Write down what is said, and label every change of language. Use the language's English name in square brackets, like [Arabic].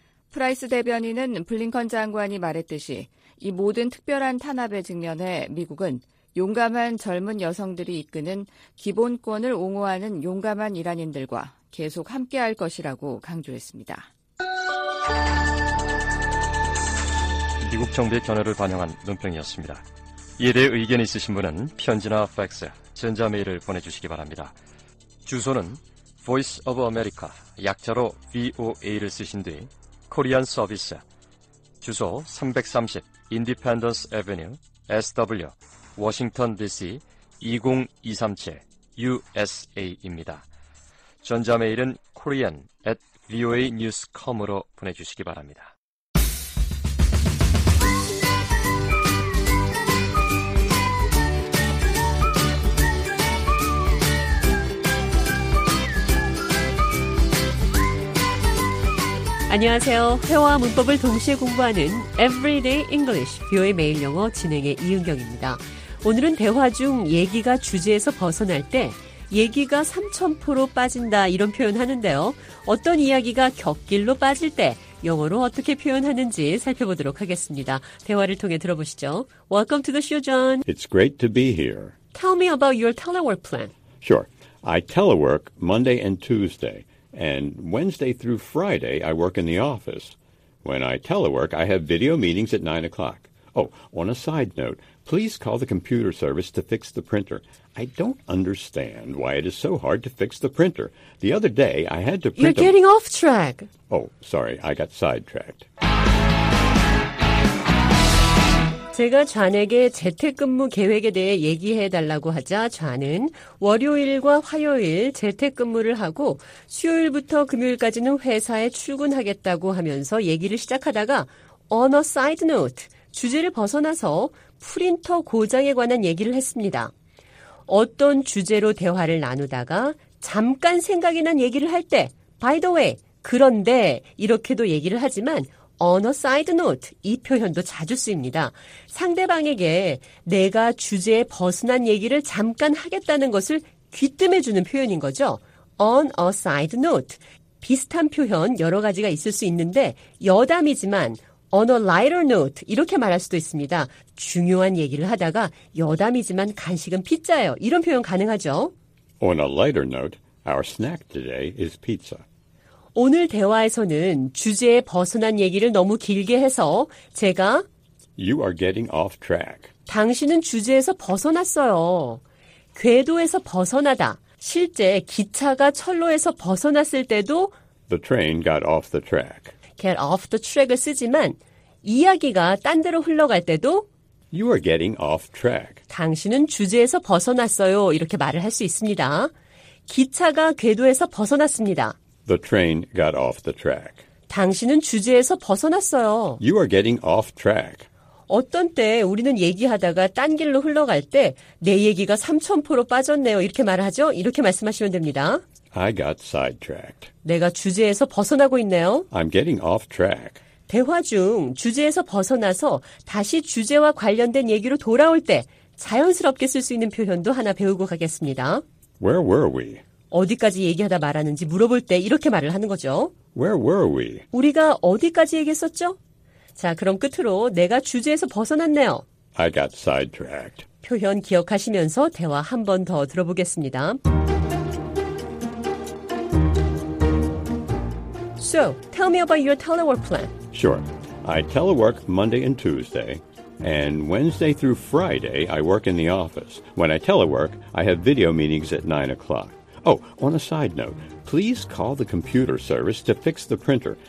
[Korean] 프라이스 대변인은 블링컨 장관이 말했듯이 이 모든 특별한 탄압에 직면해 미국은 용감한 젊은 여성들이 이끄는 기본권을 옹호하는 용감한 이란인들과 계속 함께할 것이라고 강조했습니다. 미국 정부의 견해를 반영한 논평이었습니다. 이에 대해 의견 있으신 분은 편지나 팩스, 전자메일을 보내주시기 바랍니다. 주소는 Voice of America, 약자로 VOA를 쓰신 뒤 Korean Service, 주소 330 Independence Avenue, SW, Washington DC 20237, USA입니다. 전자메일은 korean@voanews.com으로 보내주시기 바랍니다. 안녕하세요. 회화와 문법을 동시에 공부하는 Everyday English, 뷰의 매일 영어 진행의 이은경입니다. 오늘은 대화 중 얘기가 주제에서 벗어날 때 얘기가 3000포로 빠진다 이런 표현하는데요. 어떤 이야기가 격길로 빠질 때 영어로 어떻게 표현하는지 살펴보도록 하겠습니다. 대화를 통해 들어보시죠. [English] Welcome to the show, John. It's great to be here. Tell me about your telework plan. Sure. I telework Monday and Tuesday. And Wednesday through Friday, I work in the office. When I telework, I have video meetings at 9 o'clock. Oh, on a side note, please call the computer service to fix the printer. I don't understand why it is so hard to fix the printer. The other day, I had to print You're getting off track. Oh, sorry, I got sidetracked. [Korean] 제가 잔에게 재택근무 계획에 대해 얘기해달라고 하자 잔은 월요일과 화요일 재택근무를 하고 수요일부터 금요일까지는 회사에 출근하겠다고 하면서 얘기를 시작하다가 [English] on a side note, [Korean] 주제를 벗어나서 프린터 고장에 관한 얘기를 했습니다. 어떤 주제로 대화를 나누다가 잠깐 생각이 난 얘기를 할 때 [English] by the way, [Korean] 그런데 이렇게도 얘기를 하지만 [English] on a side note [Korean] 이 표현도 자주 쓰입니다. 상대방에게 내가 주제에 벗어난 얘기를 잠깐 하겠다는 것을 귀뜸해 주는 표현인 거죠. [English] on a side note [Korean] 비슷한 표현 여러 가지가 있을 수 있는데 여담이지만 [English] on a lighter note [Korean] 이렇게 말할 수도 있습니다. 중요한 얘기를 하다가 여담이지만 간식은 피자예요. 이런 표현 가능하죠. [English] On a lighter note, our snack today is pizza. [Korean] 오늘 대화에서는 주제에 벗어난 얘기를 너무 길게 해서 제가 [English] You are getting off track. [Korean] 당신은 주제에서 벗어났어요. 궤도에서 벗어나다. 실제 기차가 철로에서 벗어났을 때도 [English] The train got off the track. Get off the track [Korean] 을 쓰지만 이야기가 딴 데로 흘러갈 때도 [English] You are getting off track. [Korean] 당신은 주제에서 벗어났어요. 이렇게 말을 할 수 있습니다. 기차가 궤도에서 벗어났습니다. [English] The train got off the track. [Korean] 당신은 주제에서 벗어났어요. [English] You are getting off track. [Korean] 어떤 때 우리는 얘기하다가 딴 길로 흘러갈 때 내 얘기가 3000포로 빠졌네요. 이렇게 말하죠. 이렇게 말씀하시면 됩니다. [English] I got sidetracked. [Korean] 내가 주제에서 벗어나고 있네요. [English] I'm getting off track. [Korean] 대화 중 주제에서 벗어나서 다시 주제와 관련된 얘기로 돌아올 때 자연스럽게 쓸 수 있는 표현도 하나 배우고 가겠습니다. [English] Where were we? [Korean] 어디까지 얘기하다 말하는지 물어볼 때 이렇게 말을 하는 거죠. [English] Where were we? [Korean] 우리가 어디까지 얘기했었죠? 자, 그럼 끝으로 내가 주제에서 벗어났네요. [English] I got sidetracked. [Korean] 표현 기억하시면서 대화 한 번 더 들어보겠습니다. [English] So, tell me about your telework plan. Sure. I telework Monday and Tuesday, and Wednesday through Friday, I work in the office. When I telework, I have video meetings at 9 o'clock. Oh, on a side note, please call the computer service to fix the printer.